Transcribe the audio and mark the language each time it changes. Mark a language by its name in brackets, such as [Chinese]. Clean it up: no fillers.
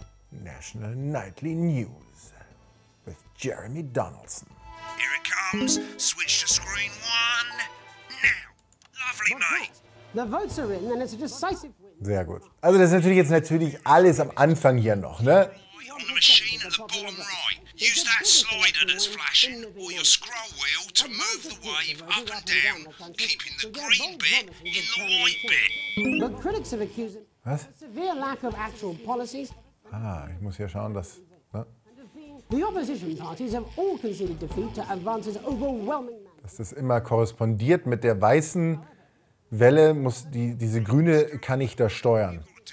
[English] National Nightly News with Jeremy Donaldson. Here it comes. Switch to screen one. Now. Lovely, mate. The votes are in and it's a decisive win. [German] Sehr gut. Also das ist natürlich jetzt natürlich alles am Anfang hier noch, ne? [English] On the machine at the bottom right. Use that slider that's flashing or your scroll wheel to move the wave up and down, keeping the green bit in the white bit. But critics have accused him of a severe lack of actual policies. [German] Ah, ich muss hier schauen, dass... Ne? [English] The opposition parties have all conceded defeat to advances overwhelming... [German] Dass das immer korrespondiert mit der weißen Welle, muss diese grüne kann ich da steuern.